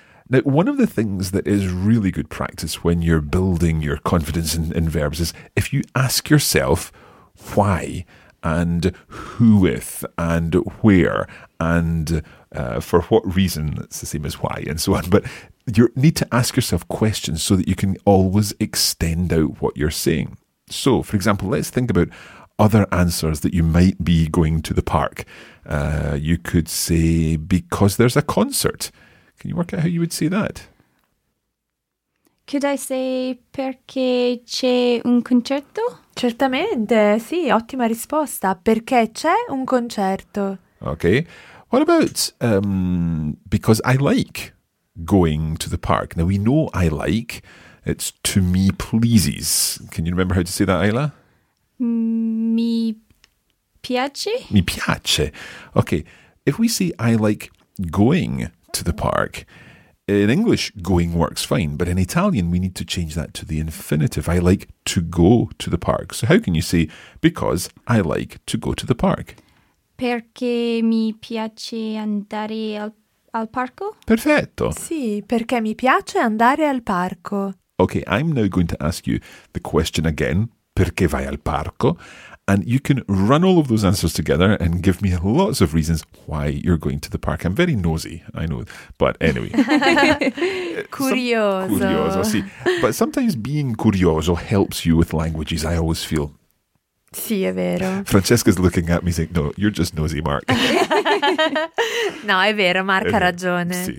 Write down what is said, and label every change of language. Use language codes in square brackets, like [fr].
[en] Now, one of the things that is really good practice when you're building your confidence in verbs is if you ask yourself why and who with and where and for what reason, it's the same as why and so on, but you need to ask yourself questions so that you can always extend out what you're saying. So, for example, let's think about other answers that you might be going to the park. You could say, because there's a concert. Can you work out how you would say that? Could I say, [it] perché c'è un concerto? Certamente, sì, ottima risposta. Perché c'è un concerto. [en] Okay. What about, because I like going to the park? Now, we know I like. It's to me pleases. Can you remember how to say that, Ayla? [it] Mi piace. Mi piace. Okay. [en] If we say I like going to the park, in English, going works fine. But in Italian, we need to change that to the infinitive. I like to go to the park. So how can you say because I like to go to the park? [it] Perché mi piace andare al parco. Perfetto. Sì, perché mi piace andare al parco. [en] Okay, I'm now going to ask you the question again. [it] Perché vai al parco? [en] And you can run all of those answers together and give me lots of reasons why you're going to the park. I'm very nosy, I know. But anyway. [it] curioso, sì. [en] But sometimes being curioso helps you with languages, I always feel. [it] Sì, è vero. [en] Francesca's looking at me saying, no, you're just nosy, Mark. [it] No, è vero, Mark ha ragione.